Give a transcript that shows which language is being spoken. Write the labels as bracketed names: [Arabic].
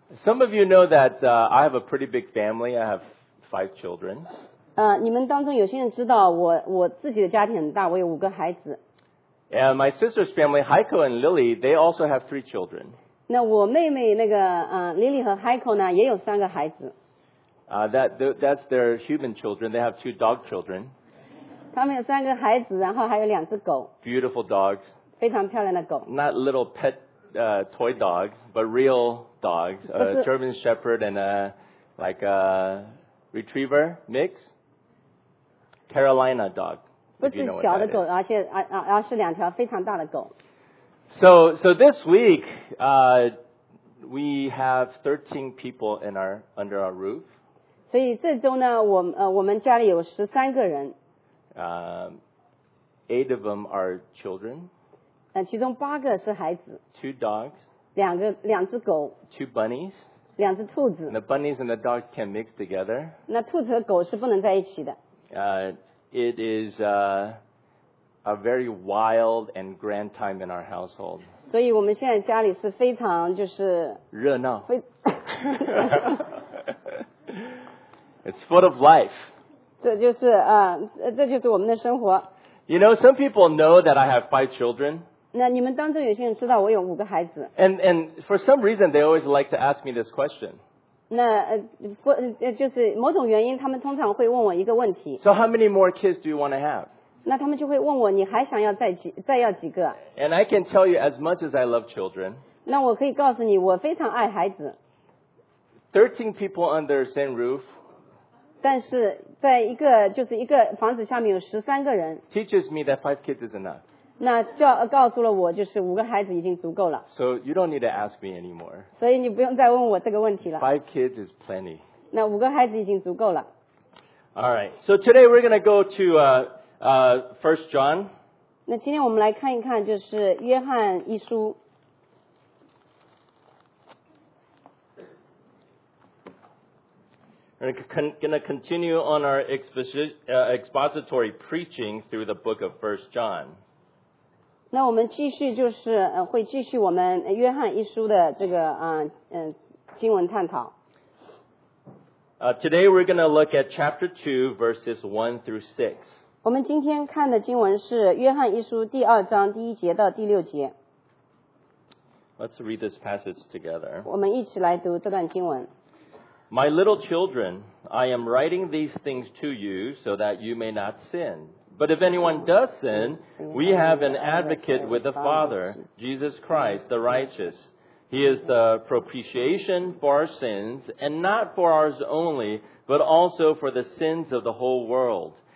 [English] Some of you know that I have a pretty big family. I have 5 children. [Chinese] 你们当中有些人知道我自己的家庭很大，我有五个孩子。 [English] And my sister's family, Heiko and Lily, they also have 3 children. [Chinese] 那我妹妹那个Lily 和 Heiko 呢，也有三个孩子。 [English] That's their human children. They have 2 dog children. [Chinese] 他们有三个孩子，然后还有两只狗。 [English] Beautiful dogs. [Chinese] 非常漂亮的狗。 [English] Not little pet toy dogs, but real dogs. A German Shepherd and a retriever mix. Carolina dog. [Chinese] 不是小的狗，而且而是两条非常大的狗。 [English] So this week, we have 13 people under our roof. [Chinese] 所以这周呢，我们家里有13个人。 [English] 8 of them are children. [Chinese] 其中八个是孩子。 [English] 2 dogs. [Chinese] 两只狗。 [English] 2 bunnies. [Chinese] 两只兔子。 [English] And the bunnies and the dogs can mix together. [Chinese] 那兔子和狗是不能在一起的。 [English] It is a very wild and grand time in our household. [Chinese] 所以我们现在家里是非常就是热闹。 [English] It's full of life. [Chinese] 这就是我们的生活。 [English] You know, some people know that I have 5 children. [Chinese] 那你们当中有些人知道我有五个孩子。 [English] And for some reason, they always like to ask me this question. [Chinese] 那就是某种原因，他们通常会问我一个问题。 [English] So how many more kids do you want to have? [Chinese] 那他们就会问我，你还想要再要几个 [English] ？And I can tell you, as much as I love children. [Chinese] 那我可以告诉你，我非常爱孩子。 [English] 13 people under the same roof. [Chinese] 但是在一个就是一个房子下面有13个人。 [English] Teaches me that 5 kids is enough. [Chinese] 那教告诉了我，就是五个孩子已经足够了。 [English] So you don't need to ask me anymore. [Chinese] 所以你不用再问我这个问题了。 [English] 5 kids is plenty. [Chinese] 那五个孩子已经足够了。 [English] All right. So today we're going to go to First John. [Chinese] 那今天我们来看一看，就是约翰一书。 [English] We're going to continue on our expository preaching through the book of First John. [Chinese] 那我们继续就是会继续我们约翰一书的这个经文探讨。 [English] Today we're going to look at chapter 2 verses 1 through 6. [Chinese] 我们今天看的经文是约翰一书第二章第一节到第六节。 [English] Let's read this passage together. [Chinese] 我们一起来读这段经文。 [English] My little children, I am writing these things to you so that you may not sin. But if anyone does sin, we have an advocate with the Father, Jesus Christ, the righteous. He is the propitiation for our sins, and not for ours only, but also for the sins of the whole world.